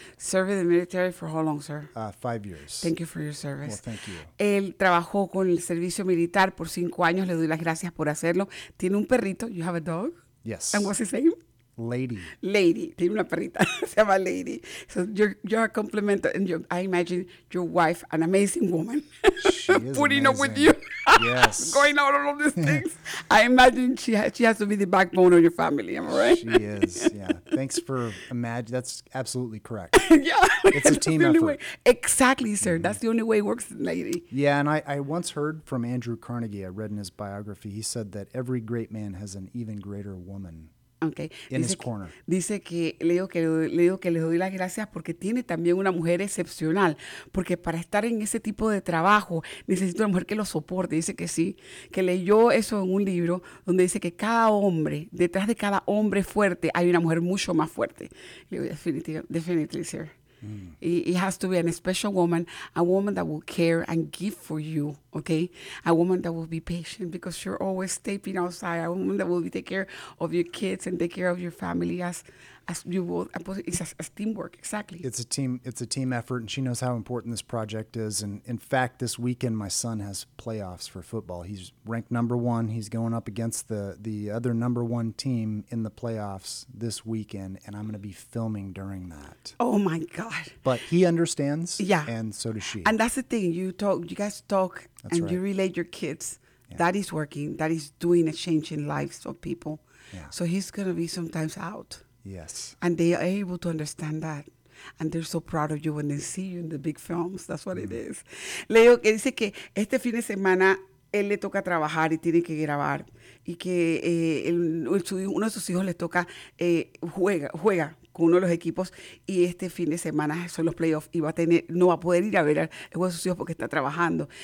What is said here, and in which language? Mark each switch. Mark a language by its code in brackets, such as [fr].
[en] Served in the military for how long, sir? 5 years. Thank you for your service. Well, thank you. [es] Él trabajó con el servicio militar por 5 años. Le doy las gracias por hacerlo. Tiene un perrito. [en] You have a dog? Yes. And what's his name? Lady. [es] Lady. Tiene una perrita. Se llama Lady. [en] So you're a compliment. And I imagine your wife, an amazing woman. She is putting Up with you. Yes. Going out on all these things. I imagine she has to be the backbone of your family. Am I right? She is. Yeah. Thanks for imagining. That's absolutely correct. Yeah. It's a team effort. Way. Exactly, sir. Mm-hmm. That's the only way it works, Lady. Yeah. And I once heard from Andrew Carnegie, I read in his biography, he said that every great man has an even greater woman. Okay. In his corner. [es] Dice que le digo que le doy las gracias porque tiene también una mujer excepcional, porque para estar en ese tipo de trabajo necesito una mujer que lo soporte. Dice que sí, que leyó eso en un libro donde dice que cada hombre, detrás de cada hombre fuerte, hay una mujer mucho más fuerte. Le digo, [en] definitely, sir. [es] Mm. [en] It has to be an special woman, a woman that will care and give for you, okay? A woman that will be patient because you're always stepping outside. A woman that will take care of your kids and take care of your family as you will. It's a teamwork, exactly. It's a team effort, and she knows how important this project is. And in fact, this weekend my son has playoffs for football. He's ranked number one. He's going up against the other number one team in the playoffs this weekend, and I'm going to be filming during that. Oh my God! But he understands. Yeah. And so does she. And that's the thing. You guys talk, that's and right. You relate your kids. Yeah. That is working. That is doing a change in lives of people. Yeah. So he's going to be sometimes out. Yes. And they are able to understand that. And they're so proud of you when they see you in the big films. That's what it is. [es] Leo que dice que este fin de semana él le toca trabajar y tiene que grabar. Y que uno de sus hijos le toca juega con uno de los equipos. Y este fin de semana son los playoffs. Y no va a poder ir a ver el juego de sus hijos porque está trabajando.